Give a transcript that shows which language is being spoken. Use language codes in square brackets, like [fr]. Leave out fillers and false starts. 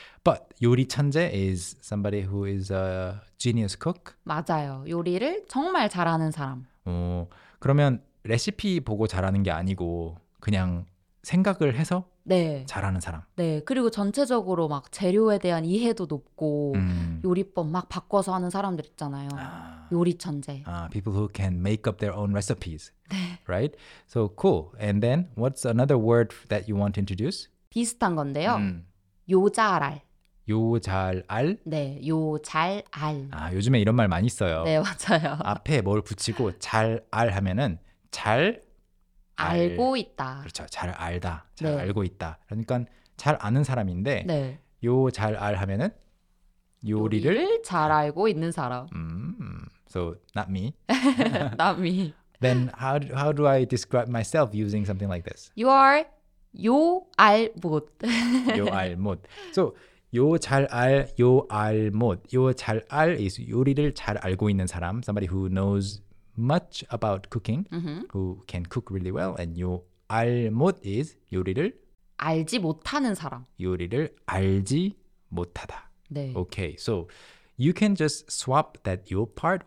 [en] But 요리 천재 is somebody who is a genius cook. [ko] 맞아요. 요리를 정말 잘하는 사람. 그러면 레시피 보고 잘하는 게 아니고 그냥 생각을 해서 네. 잘하는 사람. 네. 그리고 전체적으로 막 재료에 대한 이해도 높고 요리법 막 바꿔서 하는 사람들 있잖아요. 요리 천재. [en] People who can make up their own recipes. [ko] 네. [en] Right? So cool. And then what's another word that you want to introduce? [ko] 비슷한 건데요. 요잘알. 요잘알? 네. 요잘알. 아, 요즘에 이런 말 많이 써요. 네, 맞아요. 앞에 뭘 붙이고 잘알 하면은 잘 알고 있다. 그렇죠. 잘 알다. 잘 네. 알고 있다. 그러니까 잘 아는 사람인데 네. 요 잘 알 하면은 요리를 잘 알고 있는 사람. [en] So not me. not me. Then how do I describe myself using something like this? You are 요 알 못. [ko] 요 알 못. So 요 잘 알, 요 알 못. 요 잘 알 is 요리를 잘 알고 있는 사람. [en] Somebody who knows much about cooking, mm-hmm. who can cook really well, and 요 알 못 is [ko] 요리를 알지 못하는 사람. 요리를 알지 못하다. 네. [en] Okay, so you can just swap that 요 part